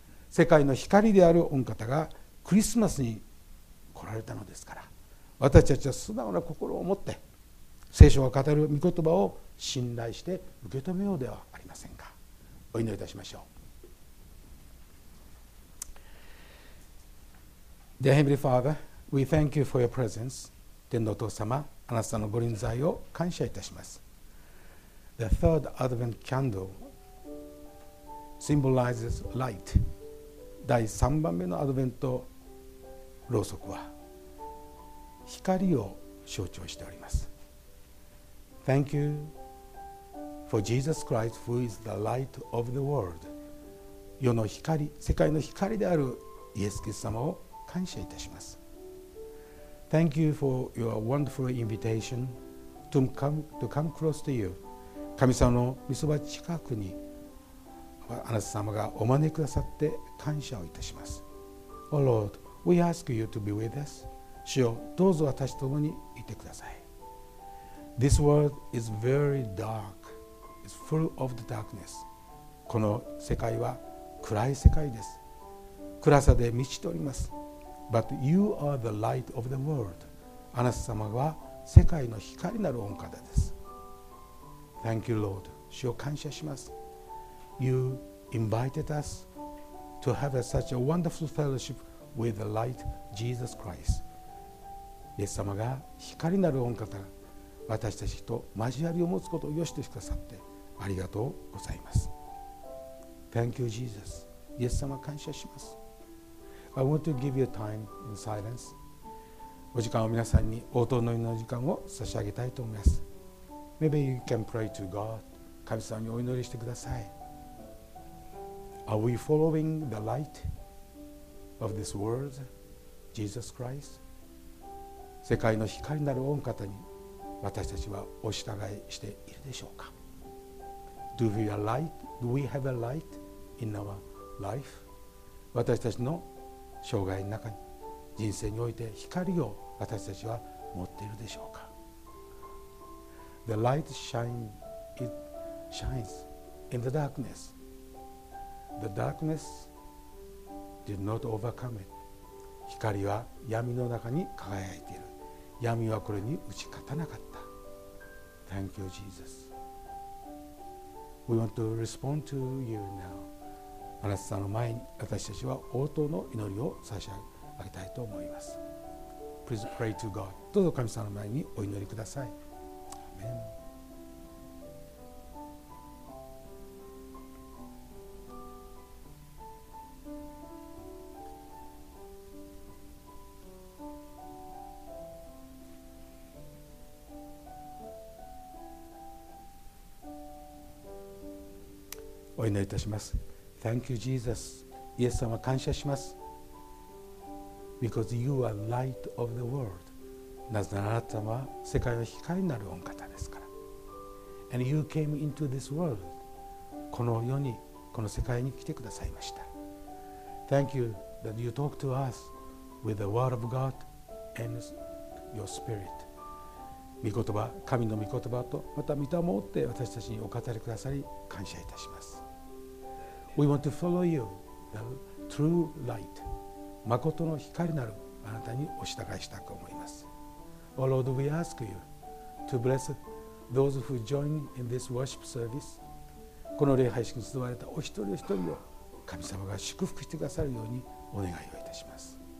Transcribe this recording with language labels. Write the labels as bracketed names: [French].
[Japanese] 世界の光である御方がクリスマスに来られたのですから、私たちは素直な心を持って聖書が語る御言葉を信頼して受け止めようではありませんか。お祈りいたしましょう。 [English] Dear Heavenly Father, we thank you for your presence. [Japanese] 天のお父様、あなたのご臨在を感謝いたします。 [English] The third Advent candle symbolizes light. [Japanese] 第3番目のアドベントろうそくは光を象徴しております。 [English] Thank you for Jesus Christ who is the light of the world. [Japanese] 世の光、世界の光であるイエス・キリスト様を感謝いたします。 [English] Thank you for your wonderful invitation to come close to you. [Japanese] 神様の御そば近くにあなた様がお招きくださって感謝をいたします。 [English] Oh Lord, we ask you to be with us. [Japanese] 主よ、どうぞ私と共にいてください。 [English] This world is very dark. It's full of the darkness. [Japanese] この世界は暗い世界です。暗さで満ちております。 [English] But you are the light of the world. [Japanese] あなた様は世界の光なるお方です。 [English] Thank you, Lord. [Japanese] 主を感謝します。 [English] You invited us to have such a wonderful fellowship with the light, Jesus Christ. [Japanese] イエス様が光なるお方、私たちと交わりを持つことを良しとしてくださってありがとうございます。 [English] Thank you, Jesus. [Japanese] イエス様感謝します。 [English] I want to give you time in silence. [Japanese] お時間を皆さんに応答の祈りの時間を差し上げたいと思います。 [English] Maybe you can pray to God. [Japanese] 神様にお祈りしてください。 [English] Are we following the light of this world, Jesus Christ? [Japanese] 世界の光なる御方に私たちはお従いしているでしょうか。 [English] Do we have a light in our life? [Japanese] 私たちの生涯の中に人生において光を私たちは持っているでしょうか。 [English] The light shine, it shines in the darkness. The darkness did not overcome it. [Japanese] 光は闇の中に輝いている。闇はこれに打ち勝たなかった。 [English] Thank you, Jesus. We want to respond to you now. [Japanese] あなたさんの前に私たちは応答の祈りを差し上げたいと思います。 [English] Please pray to God. [Japanese] どうぞ神様の前にお祈りください。アメン。お祈りいたします。 [English] Thank you, Jesus. [Japanese] イエス様、感謝します。 [English] Because you are light of the world. [Japanese] なぜならあなた様は世界の光になる御方ですから。 [English] And you came into this world. [Japanese] この世に、この世界に来てくださいました。 [English] Thank you that you talk to us with the word of God and your spirit. [Japanese] 御言葉、神の御言葉とまた御霊を持って私たちにお語りくださり、感謝いたします。 [English] We want to follow you, the true light. [Japanese] 誠の光なるあなたにお従いしたく思います。 [English] Oh Lord, we ask you to bless those who join in this worship service. [Japanese] この礼拝式に集われたお一人お一人を神様が祝福してくださるようにお願いをいたします。